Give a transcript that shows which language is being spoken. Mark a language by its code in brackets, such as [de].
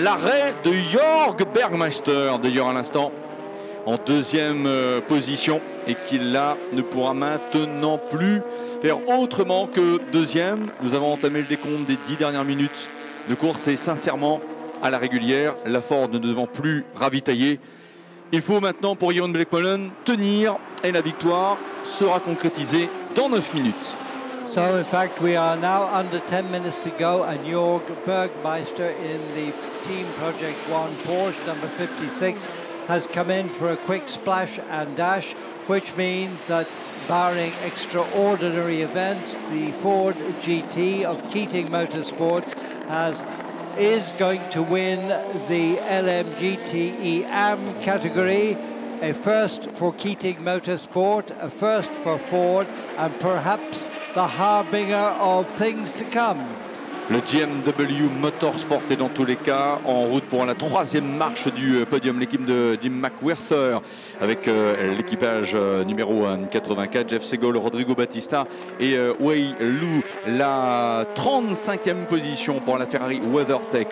[fr] L'arrêt de Jörg Barrymaster d'ailleurs à l'instant en deuxième position et qui là ne pourra maintenant plus faire autrement que deuxième. Nous avons entamé le décompte des 10 dernières minutes de course et sincèrement à la régulière, la Ford ne devant plus ravitailler. Il faut maintenant pour Jeroen Blekmolen tenir et la victoire sera concrétisée dans 9 minutes. [en] So in fact we are now under 10 minutes to go and Jörg Barrymaster in the Team Project One Porsche number 56 has come in for a quick splash and dash, which means that barring extraordinary events, the Ford GT of Keating Motorsports is going to win the LMGTE AM category, a first for Keating Motorsport, a first for Ford, and perhaps the harbinger of things to come. [fr] Le GMW Motorsport est dans tous les cas en route pour la troisième marche du podium. L'équipe de Jim McWherter avec l'équipage numéro 84, Jeff Segal, Rodrigo Batista et Wei Lu. La 35e position pour la Ferrari WeatherTech.